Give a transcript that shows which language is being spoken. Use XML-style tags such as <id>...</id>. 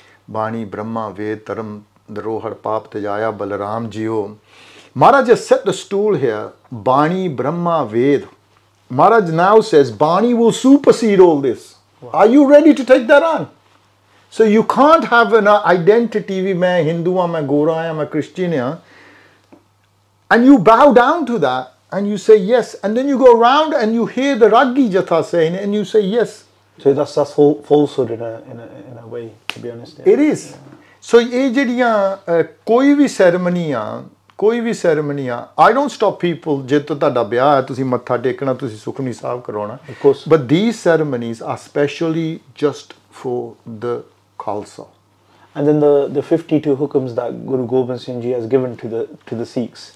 <pa>ਬਾਣੀ ਬ੍ਰਹਮਾ ਵੇਦ ਧਰਮ ਦਰੋਹੜ ਪਾਪ ਤਜਾਇਆ</pa> <en>ਬਲਰਾਮ ਜੀਓ Maharaj set the stool here</en> <pa>ਬਾਣੀ ਬ੍ਰਹਮਾ ਵੇਦ</pa> <en>Maharaj now says Bani will supersede all this are you ready to take that on so you can't have an identity</en> <pa>ਵੀ ਮੈਂ ਹਿੰਦੂ ਹਾਂ ਮੈਂ ਗੋਰਾ ਹਾਂ ਮੈਂ ਕ੍ਰਿਸਚੀਅਨ ਹਾਂ</pa> <en>And you bow down to that and you say yes and then you go around and you hear the ragi jatha saying and you say yes So that's falsehood in a way, to be honest. Yeah. It is.</en> <pa>So ਇਹ ਜਿਹੜੀਆਂ ਕੋਈ ਵੀ ceremony ਆ ਕੋਈ ਵੀ ceremony ਆ</pa> <en>I don't stop people</en> <pa>ਜੇ ਤੁਹਾਡਾ ਵਿਆਹ ਹੈ ਤੁਸੀਂ ਮੱਥਾ ਟੇਕਣਾ ਤੁਸੀਂ ਸੁਖਮਨੀ ਸਾਹਿਬ ਕਰਾਉਣਾ</pa> <en>but these ceremonies are specially just for the Khalsa and then the 52 hukams that Guru Gobind Singh ji has given to the Sikhs</en>